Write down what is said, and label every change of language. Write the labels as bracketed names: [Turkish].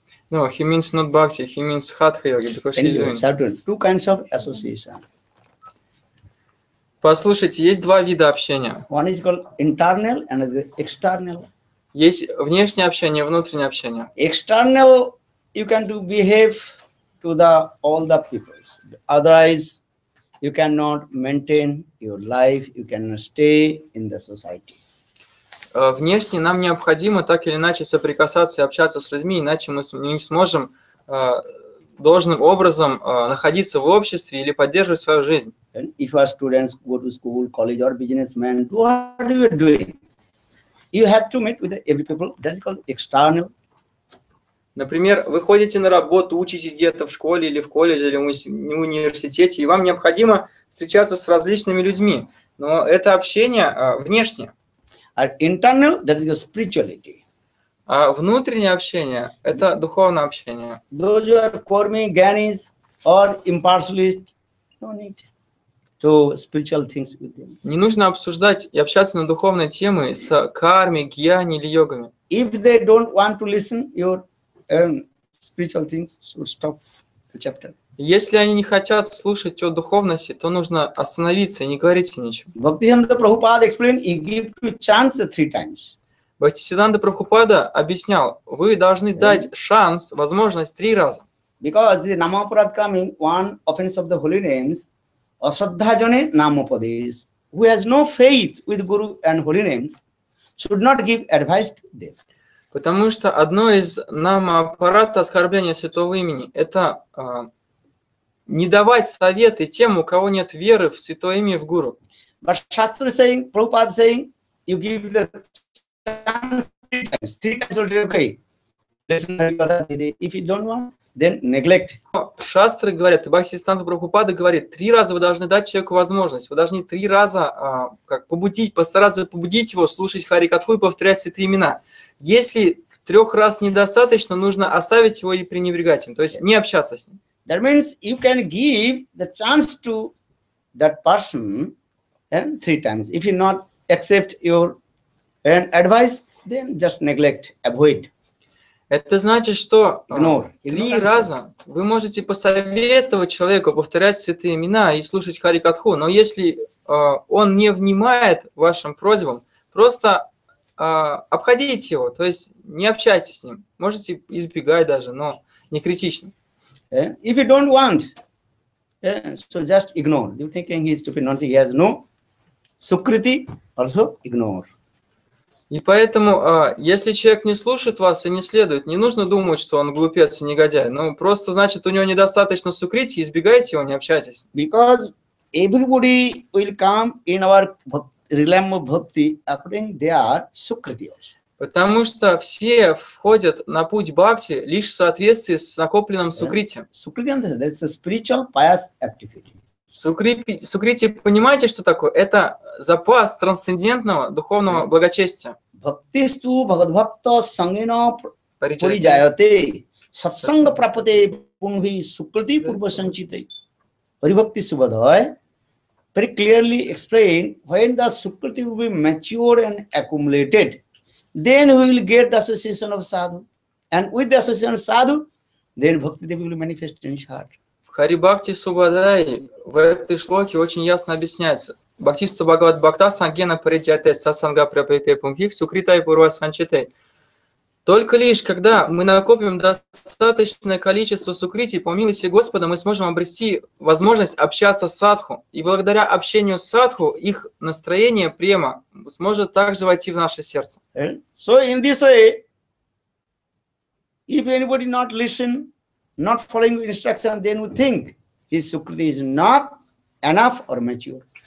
[English] No, he means not bhakti, he means hatha yoga, because he's doing... Sardun, two kinds of association. [Russian] Послушайте, есть два вида общения. [English] One is called internal and external. [Russian] Есть внешнее общение, внутреннее общение. [English] External, you can do behave to the all the people. Otherwise, you cannot maintain your life, you cannot stay in the society. [Russian] Внешне нам необходимо так или иначе соприкасаться и общаться с людьми, иначе мы не сможем должным образом находиться в обществе или поддерживать свою жизнь. [English] If our students go to school, college or businessmen, what are you doing? You have to meet with every people. That's called external. [Russian] Например, вы ходите на работу, учитесь где-то в школе или в колледже или в университете, и вам необходимо встречаться с различными людьми. Но это общение внешнее. [English] Internal, that is your spirituality. [Russian] А внутреннее общение – это духовное общение. [English] Those who are karmi, gyanis or impersonalist, no need to spiritual things with them. [Russian] Не нужно обсуждать и общаться на духовные темы с карми, гьяни или йогами. [English] If they don't want to listen your spiritual things, should stop the chapter. [Russian] Если они не хотят слушать о духовности, то нужно остановиться и не говорить им ничего. [English] Бхактисиддханта Прабхупада explained, he gave you chance three times. [Russian] Бхактисиддханта Прабхупада объяснял, вы должны дать шанс, возможность три раза. [English] Because the nama apradh coming, one offense of the holy names, asraddha jane namapadesh, who has no faith with guru and holy names, should not give advice to them. [Russian] Потому что одно из намапарата оскорбления святого имени – это не давать советы тем, у кого нет веры в святое имя, в гуру. [English] But Shastra saying, Prabhupada saying, you give the chance three times already, okay. Listen, if you don't want, then neglect. [Russian] Шастры говорят, Бхактисиддханта Прабхупада говорит, три раза вы должны дать человеку возможность. Вы должны три раза постараться побудить его слушать Харикатху и повторять святые имена. Если трех раз недостаточно, нужно оставить его и пренебрегать им, то есть не общаться с ним. [English] That means you can give the chance to that person three times. If he not accept your advice, then just neglect, avoid. [Russian] Это значит, что три раза вы можете посоветовать человеку повторять святые имена и слушать Харикатху, но если он не внимает вашим просьбам, просто обходите его, то есть не общайтесь с ним. Можете избегать даже, но не критично. [English] If you don't want, so just ignore. You thinking he is stupid, not he has no sukriti, also ignore. [Russian] И поэтому, если человек не слушает вас и не следует, не нужно думать, что он глупец и негодяй. Ну, просто значит, у него недостаточно сукрити, избегайте его, не общайтесь. [English] Because everybody will come in our realm of bhakti according their sukriti also. [Russian] Потому что все входят на путь бхакти лишь в соответствии с накопленным сукрити. Сукрити – это [English] spiritual pious activity. [Russian] Сукрити, понимаете, что такое? Это запас трансцендентного духовного благочестия. [Sanskrit] Бхактисту бхагадбхакта сангина парижаяте сатсанга прапате пунхи сукрити пурва санчитай парибхакти субадхай. [English] Very clearly explain when the сукрити will be mature and accumulated. Then we will get the association of sadhu. And with the association of sadhu, then bhakti devi will manifest in his heart. [Russian] В Хари Бхакти Субадай в этой шлоке очень ясно объясняется. [Sanskrit] Бхактисту Бхагават Бхакта Сангена Париджайте Сасанга Праприте Пунхих Сукритай Пурва Санчите. [Russian] Только лишь когда мы накопим достаточное количество сукрити, по милости Господа, мы сможем обрести возможность общаться с садху. И благодаря общению с садху, их настроение, према, сможет также войти в наше сердце. [English] So in this way, if anybody not listen, not following instruction, then we think his sukriti is not enough or mature.